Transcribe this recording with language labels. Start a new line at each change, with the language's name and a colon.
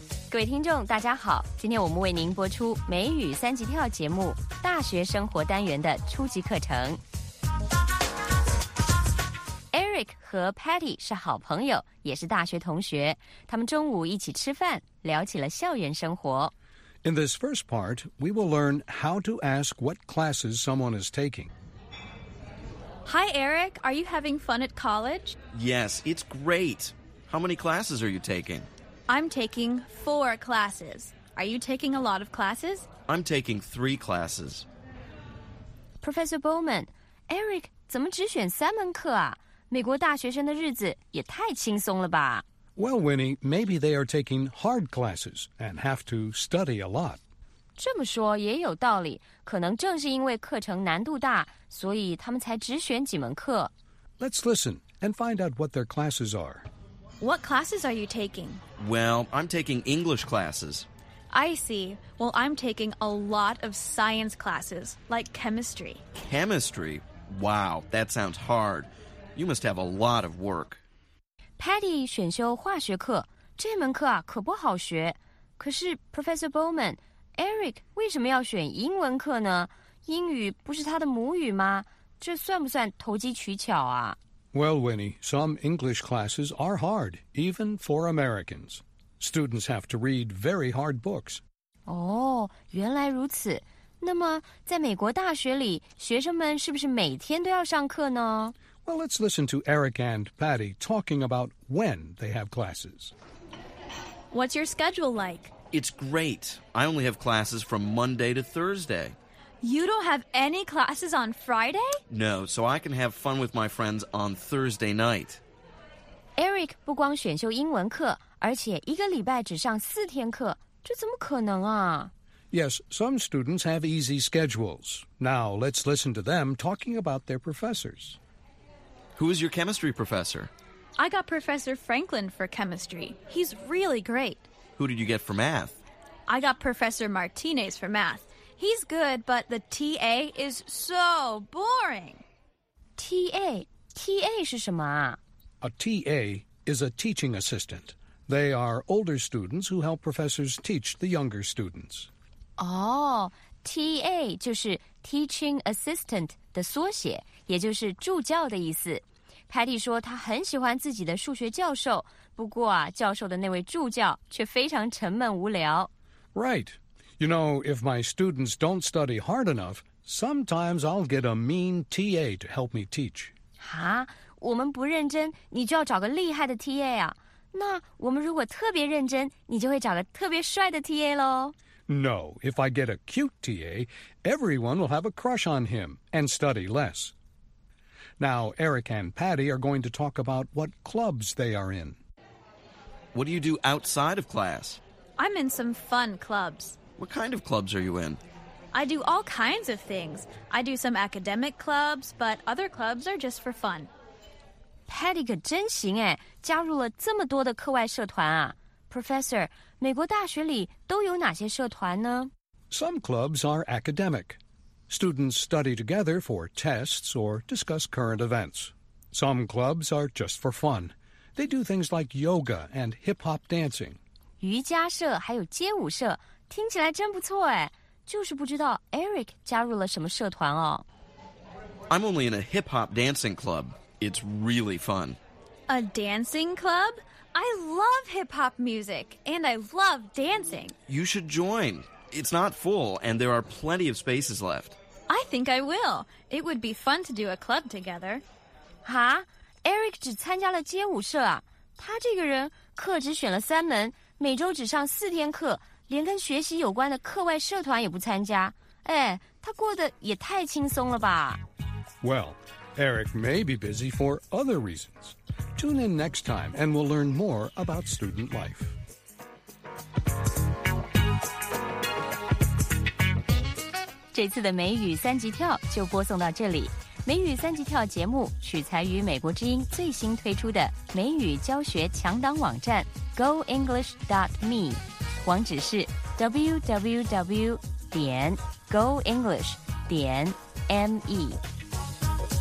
Chinese: 各位听众，大家好，今天我们为您播出美语三级跳节目大学生活单元的初级课程。 Eric 和 Patty 是好朋友，也是大学同学。他们中午一起吃饭，聊起了校园生活。
English: In this first part, we will learn how to ask what classes someone is taking. Hi, Eric. Are you having fun at college? Yes, it's great. How many classes are you taking? I'm taking 4 classes. Are you taking a lot of classes? I'm taking 3 classes.
Chinese: Professor Bowman, Eric 怎么只选三门课啊？美国大学生的日子也太轻松了吧。
English: Well, Winnie, maybe they are taking hard classes and have to study a lot.
Chinese: 这么说也有道理，可能正是因为课程难度大，所以他们才只选几门课。
English: Let's listen and find out what their classes are. What classes are you taking? Well, I'm taking English classes. I see. Well, I'm taking a lot of science classes, like chemistry. Chemistry? Wow, that sounds hard. You must have a lot of work.
Chinese: Patty 选修化学课，这门课啊可不好学。可是 Professor Bowman, Eric 为什么要选英文课呢？英语不是他的母语吗？这算不算投机取巧啊？
English: Well, Winnie, some English classes are hard, even for Americans. Students have to read very hard books.
Chinese: 哦，原来如此。那么在美国大学里，学生们是不是每天都要上课呢？
English: Well, let's listen to Eric and Patty talking about when they have classes. What's your schedule like? It's great. I only have classes from Monday to Thursday. You don't have any classes on Friday? No, so I can have fun with my friends on Thursday night.
Chinese: Eric 不光选修英文课，而且一个礼拜只上四天课，这怎么可能啊？
English: Yes, some students have easy schedules. Now, let's listen to them talking about their professors. Who is your chemistry professor? I got Professor Franklin for chemistry. He's really great. Who did you get for math? I got Professor Martinez for math. He's good, but the TA is so boring.
Chinese: TA? TA 是什么啊?
English: A TA is a teaching assistant. They are older students who help professors teach the younger students.
Chinese: Oh, TA 就是 teaching assistant 的缩写，也就是助教的意思。 Patty 说他很喜欢自己的数学教授，不过啊，教授的那位助教却非常沉闷无聊。
English: Right. You know, if my students don't study hard enough, sometimes I'll get a mean TA to help me teach.
Chinese: 啊，我们不认真，你就要找个厉害的 TA 啊。那我们如果特别认真，你就会找个特别帅的 TA 咯。
English: No, if I get a cute TA, everyone will have a crush on him and study less. Now, Eric and Patty are going to talk about what clubs they are in. What do you do outside of class? I'm in some fun clubs. What kind of clubs are you in? I do all kinds of things. I do some academic clubs, but other clubs are just for fun.
Chinese: Patty 可真行哎，加入了这么多的课外社团啊。 Professor, 美国大学里都有哪些社团呢？
English: Some clubs are academic. Students study together for tests or discuss current events. Some clubs are just for fun. They do things like yoga and hip-hop dancing.
Chinese: 瑜伽社还有街舞社，听起来真不错哎。就是不知道 Eric 加入了什么社团哦。
English: I'm only in a hip-hop dancing club. It's really fun. A dancing club? I love hip-hop music, and I love dancing. You should join. It's not full, and there are plenty of spaces left. I think I will. It would be fun to do a club together. 哈?
Chinese: Eric 只参加了街舞社啊。他这个人课只选了三门，每周只上四天课，连跟学习有关的课外社团也不参加。哎，他过得也太轻松了吧。
English: Well, Eric may be busy for other reasons. Tune in next time and we'll learn more about student life. This time's
Chinese: 美语三级跳就播送到这里。美语三级跳节目取材于美国之音最新推出的美语教学强档网站 goenglish.me， 网址是 www.goenglish.me。